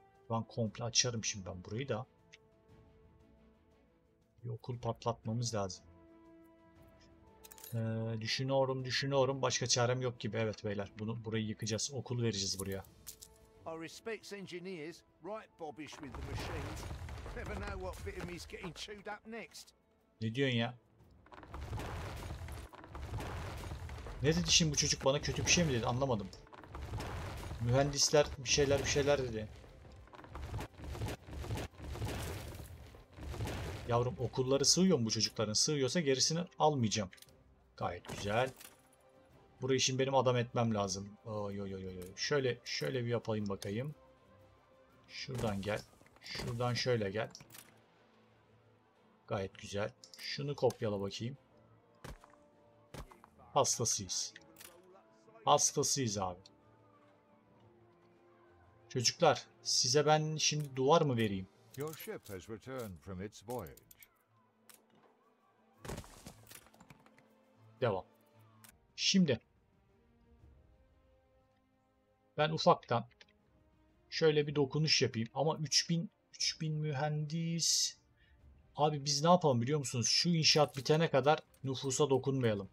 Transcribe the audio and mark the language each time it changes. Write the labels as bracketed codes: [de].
[tr] Ben komple açarım şimdi ben burayı da. Bir okul patlatmamız lazım. Düşünüyorum, düşünüyorum. Başka çarem yok gibi. Evet beyler, bunu burayı yıkacağız. Okul vereceğiz buraya. [en] I respect engineers, right bobbish with the machines. Never know what bit of me's getting chewed up next. [tr] Ne diyorsun ya? Ne dedi şimdi bu çocuk bana, kötü bir şey mi dedi? Anlamadım. Mühendisler bir şeyler dedi. Yavrum okulları sığıyor mu bu çocukların? Sığıyorsa gerisini almayacağım. Gayet güzel. Burayı şimdi benim adam etmem lazım. Oo, yo, yo, yo. Şöyle bir yapayım bakayım. Şuradan gel. Şuradan şöyle gel. Gayet güzel. Şunu kopyala bakayım. Hastasıyız. Hastasıyız abi. Çocuklar, size ben şimdi duvar mı vereyim? [en] Your ship has returned from its voyage. [tr] Devam. Şimdi ben ufaktan şöyle bir dokunuş yapayım ama 3000 mühendis. Abi biz ne yapalım biliyor musunuz? Şu inşaat bitene kadar nüfusa dokunmayalım.